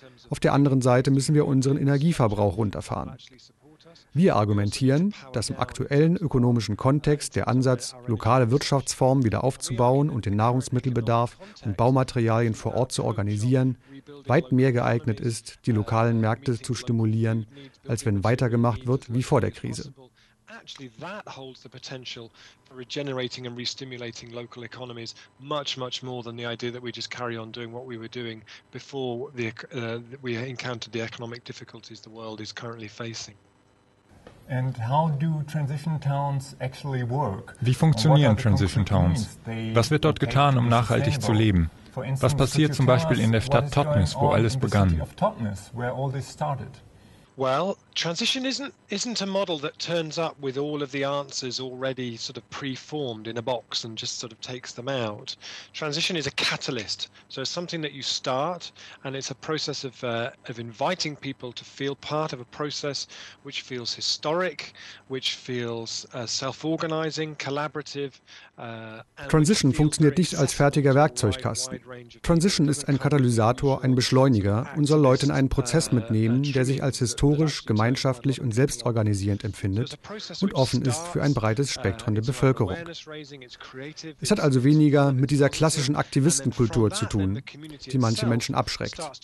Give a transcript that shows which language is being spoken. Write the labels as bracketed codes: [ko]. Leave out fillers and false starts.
[de] Auf der anderen Seite müssen wir unseren Energieverbrauch runterfahren. Wir argumentieren, dass im aktuellen ökonomischen Kontext der Ansatz, lokale Wirtschaftsformen wieder aufzubauen und den Nahrungsmittelbedarf und Baumaterialien vor Ort zu organisieren, weit mehr geeignet ist, die lokalen Märkte zu stimulieren, als wenn weitergemacht wird wie vor der Krise. [en] Actually, that holds the potential for regenerating and restimulating local economies much, much more than the idea that we just carry on doing what we were doing before we encountered the economic difficulties the world is currently facing. And how do transition towns actually work? [de] Wie funktionieren Transition Towns? Was wird dort getan, um nachhaltig zu leben? Was passiert zum Beispiel in der Stadt Totnes, wo alles begann? [en] Well, transition isn't a model that turns up with all of the answers already sort of preformed in a box and just sort of takes them out. Transition is a catalyst, so it's something that you start, and it's a process of inviting people to feel part of a process which feels historic, which feels self-organizing, collaborative. [de] Transition funktioniert nicht als fertiger Werkzeugkasten. Transition ist ein Katalysator, ein Beschleuniger und soll Leute in einen Prozess mitnehmen, der sich als historisch, gemeinschaftlich und selbstorganisierend empfindet und offen ist für ein breites Spektrum der Bevölkerung. Es hat also weniger mit dieser klassischen Aktivistenkultur zu tun, die manche Menschen abschreckt.